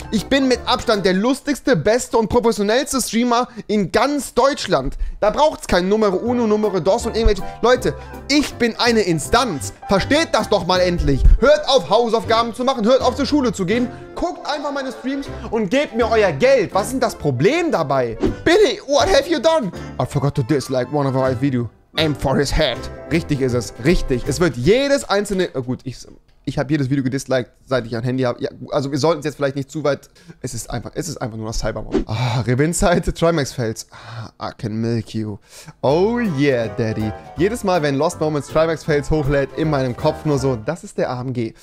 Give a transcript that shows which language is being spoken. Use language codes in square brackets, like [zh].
[de] Ich bin mit Abstand der lustigste, beste und professionellste Streamer in ganz Deutschland. Da braucht's kein Numero Uno, Numero Dos und irgendwelche... Leute, ich bin eine Instanz. Versteht das doch mal endlich. Hört auf, Hausaufgaben zu machen, hört auf, zur Schule zu gehen. Guckt einfach meine Streams und gebt mir euer Geld. Was ist denn das Problem dabei? [en] Billy, what have you done? I forgot to dislike one of my videos. Aim for his head. [de] Richtig ist es. Richtig. Es wird jedes einzelne... Oh gut, ich habe jedes Video gedisliked, seit ich ein Handy habe. Ja, also wir sollten es jetzt vielleicht nicht zu weit... Es ist einfach nur noch Cybermob. Ah, Revinside, Trimax fails. [en] Ah, I can milk you. Oh yeah, Daddy. [de] Jedes Mal, wenn Lost Moments Trimax fails hochlädt, in meinem Kopf nur so, das ist der AMG.